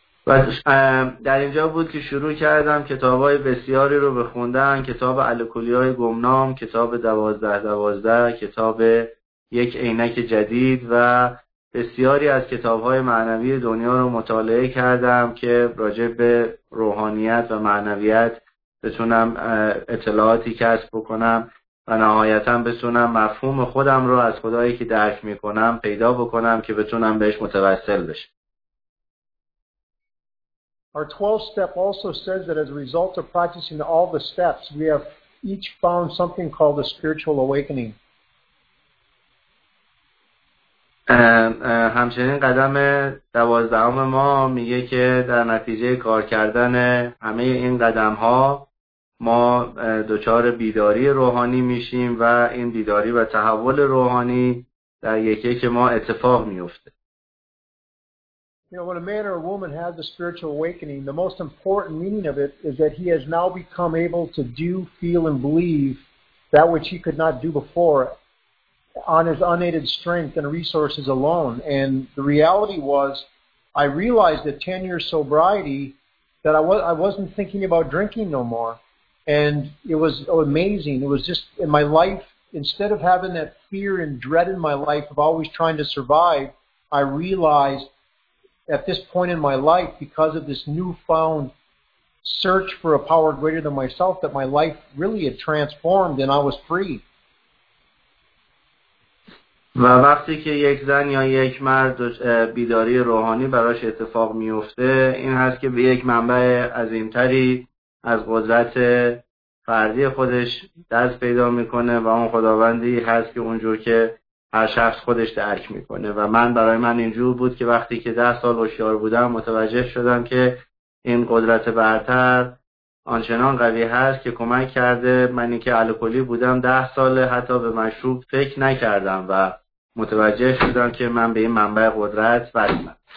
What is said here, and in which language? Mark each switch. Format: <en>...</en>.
<fa>و در اینجا بود که شروع کردم کتاب‌های بسیاری رو بخوندن، کتاب الکلیای گمنام، کتاب 12-12، کتاب یک عینک جدید و بسیاری از کتاب‌های معنوی دنیا رو مطالعه کردم که راجع به روحانیت و معنویت بتونم اطلاعاتی کسب بکنم و نهایتاً بتونم مفهوم خودم رو از خدایی که درک می‌کنم پیدا بکنم که بتونم بهش متوسل بشم.</fa> <en>Our 12th step also says that as a result of practicing all the steps, we have each found something called a spiritual awakening.</en> <fa>همچنین قدم 12 ما میگه که در نتیجه کار کردن همه این قدم ها ما دچار بیداری روحانی میشیم و این بیداری و تحول روحانی در یکی که ما اتفاق میفته.</fa> <en>You know, when a man or a woman has a spiritual awakening, the most important meaning of it is that he has now become able to do, feel, and believe that which he could not do before on his unaided strength and resources alone. And the reality was, I realized at 10 years sobriety that I wasn't thinking about drinking no more. And it was amazing. It was just in my life, instead of having that fear and dread in my life of always trying to survive, I realized at this point in my life, because of this newfound search for a power greater than myself, that my life really had transformed and I was free.</en> <fa>و وقتی که یک زن یا یک مرد بیداری روحانی براش اتفاق میفته، این هست که به یک منبع عظیمتری از قدرت فردی خودش دست پیدا میکنه و اون خداوندی هست که اونجور که هر شخص خودش درک میکنه و من برای من اینجور بود که وقتی که 10 سال هوشیار بودم متوجه شدم که این قدرت برتر آنچنان قوی هست که کمک کرده منی که الکلی بودم 10 سال حتی به مشروب فکر نکردم و متوجه شدم که من به این منبع قدرت وصلم.</fa>